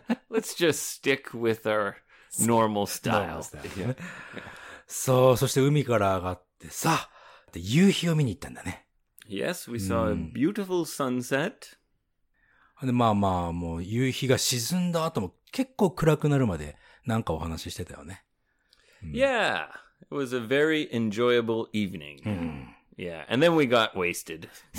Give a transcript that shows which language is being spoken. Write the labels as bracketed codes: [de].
[en] Let's just stick with our normal style. Normal style. Yeah. [ja] そう、そして海から上がってさ、で夕日を見に行ったんだね。 [en] Yes, we saw a beautiful sunset. [ja] で、まあまあ、もう、夕日が沈んだ後も、結構暗くなるまでなんかお話ししてたよね。 [en] Yeah, it was a very enjoyable evening. Yeah, and then we got wasted.